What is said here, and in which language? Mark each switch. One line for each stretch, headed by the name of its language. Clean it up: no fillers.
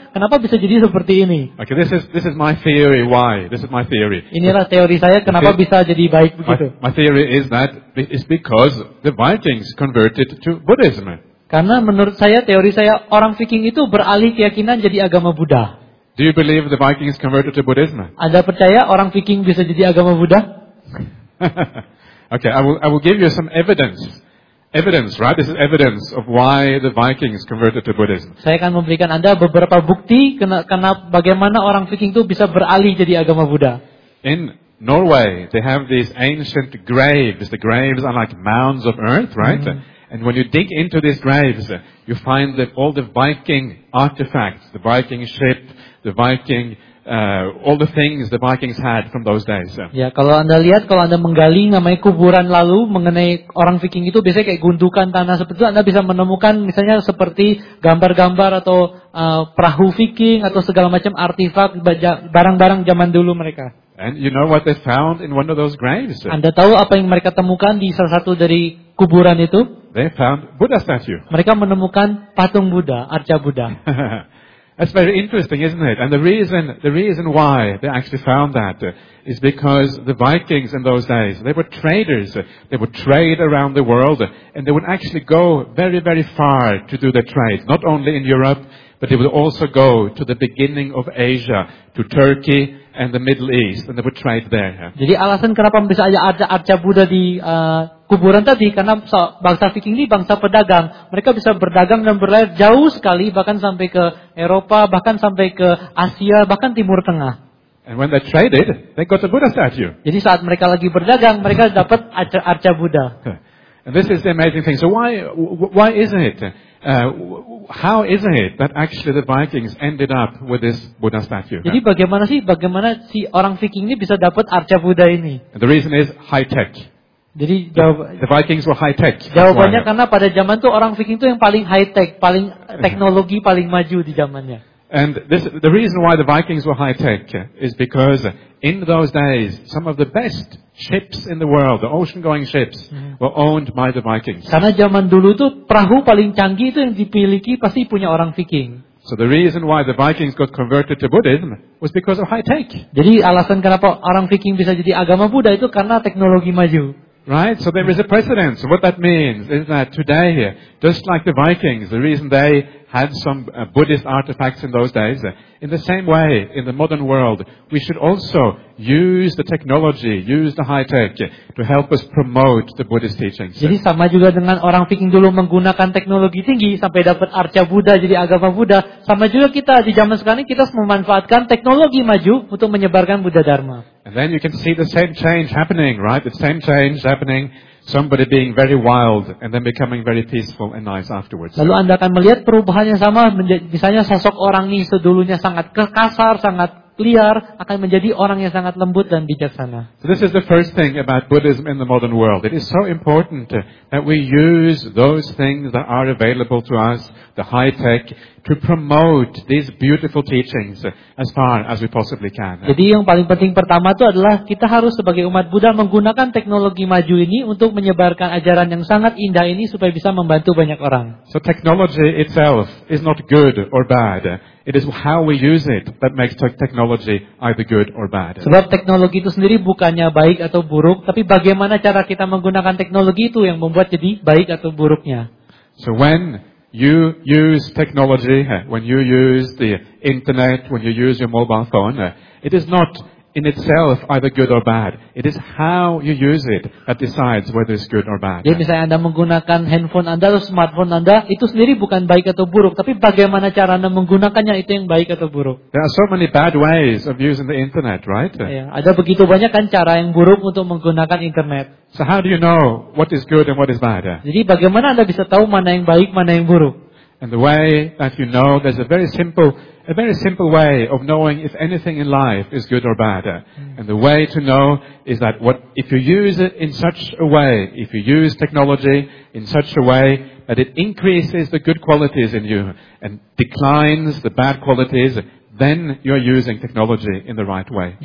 Indonesian: Kenapa bisa jadi seperti ini?
English: Okay, this is my theory. Why? This is my theory.
Indonesian: Inilah teori saya, kenapa bisa jadi baik begitu.
English: My theory is that it's because the Vikings converted to Buddhism.
Indonesian: Karena menurut saya, teori saya, orang Viking itu beralih keyakinan jadi agama Buddha.
English: Do you believe the Vikings converted to Buddhism?
Indonesian: Anda percaya orang Viking bisa jadi agama Buddha?
English: Okay, I will give you some evidence. Evidence, right? This is evidence of why the Vikings converted to Buddhism.
Indonesian: Saya akan memberikan Anda beberapa bukti kenapa bagaimana orang Viking itu bisa beralih jadi agama Buddha.
English: In Norway, they have these ancient graves. The graves are like mounds of earth, right? And when you dig into these graves, you find that all the Viking artifacts, the Viking ship, the Viking, all the things the Vikings had from those days.
Indonesian: Ya, kalau Anda lihat, kalau Anda menggali namanya kuburan lalu mengenai orang Viking itu, biasanya kayak gundukan tanah seperti itu, Anda bisa menemukan misalnya seperti gambar-gambar atau perahu Viking atau segala macam artifak barang-barang zaman dulu mereka.
English: And you know what they found in one of those graves?
Indonesian: Anda tahu apa yang mereka temukan di salah satu dari kuburan itu?
English: They found Buddha statue.
Indonesian: Mereka menemukan patung Buddha, arca Buddha.
English: That's very interesting, isn't it? And the reason why they actually found that is because the Vikings in those days, they were traders. They would trade around the world, and they would actually go very, very far to do their trade. Not only in Europe, but they would also go to the beginning of Asia, to Turkey and the Middle East, and they would trade there.
Indonesian: Jadi alasan kenapa bisa ada arca Buddha di kuburan tadi, karena bangsa Viking ini bangsa pedagang. Mereka bisa berdagang dan berlayar jauh sekali, bahkan sampai ke Eropa, bahkan sampai ke Asia, bahkan Timur Tengah.
English: And when they traded, they got a Buddha statue.
Indonesian: Jadi saat mereka lagi berdagang, mereka dapat arca Buddha.
English: And this is the amazing thing. So why isn't it? How is it that actually the Vikings ended up with this Buddha statue?
Indonesian: Jadi bagaimana sih orang Viking ini bisa dapat arca Buddha ini?
English: And the reason is high tech.
Indonesian: Jadi
English: the Vikings were high tech.
Indonesian: Jawabannya karena pada zaman itu orang Viking itu yang paling high tech, paling teknologi paling maju di zamannya.
English: And this, the reason why the Vikings were high tech is because in those days some of the best ships in the world, the ocean going ships, were owned by the Vikings.
Indonesian: Karena zaman dulu tuh perahu paling canggih itu yang dipiliki pasti punya orang Viking.
English: So the reason why the Vikings got converted to Buddhism was because of high tech.
Indonesian: Jadi alasan kenapa orang Viking bisa jadi agama Buddha itu karena teknologi maju.
English: Right, so there is a precedence. What that means is that today, just like the Vikings, the reason they had some Buddhist artifacts in those days, in the same way, in the modern world, we should also use the technology, use the high tech, to help us promote the Buddhist teachings.
Indonesian: Jadi sama juga dengan orang Viking dulu menggunakan teknologi tinggi sampai dapat arca Buddha, jadi agama Buddha. Sama juga kita di zaman sekarang, kita memanfaatkan teknologi maju untuk menyebarkan Buddha Dharma.
English: And then you can see the same change happening, right? The same change happening. Somebody being very wild and then becoming very peaceful and nice afterwards.
Indonesian: Lalu Anda akan melihat perubahannya sama, misalnya sosok orang ini sedulunya sangat kasar, sangat liar, akan menjadi orang yang sangat lembut dan bijaksana.
English: So this is the first thing about Buddhism in the modern world. It is so important that we use those things that are available to us, the high tech, to promote these beautiful teachings as far as we possibly can.
Indonesian: Jadi yang paling penting pertama itu adalah kita harus sebagai umat Buddha menggunakan teknologi maju ini untuk menyebarkan ajaran yang sangat indah ini supaya bisa membantu banyak orang.
English: So technology itself is not good or bad. It is how we use it that makes technology either good or bad.
Indonesian: Sebab teknologi itu sendiri bukannya baik atau buruk, tapi bagaimana cara kita menggunakan teknologi itu yang membuat jadi baik atau buruknya.
English: So when you use technology, when you use the internet, when you use your mobile phone, it is not in itself either good or bad. It is how you use it that decides whether it's good or bad.
Indonesian: Jadi misalnya Anda menggunakan handphone Anda atau smartphone Anda, itu sendiri bukan baik atau buruk, tapi bagaimana cara Anda menggunakannya itu yang baik atau buruk.
English: There are so many bad ways of using the internet, right?
Indonesian: Ya, ada begitu banyak kan cara yang buruk untuk menggunakan internet.
English: So how do you know what is good and what is bad?
Indonesian: Jadi bagaimana Anda bisa tahu mana yang baik, mana yang buruk?
English: And the way that you know, there's a very simple way of knowing if anything in life is good or bad. And the way to know is that if you use it in such a way, if you use technology in such a way that it increases the good qualities in you and declines the bad qualities, then you are using technology in the right way.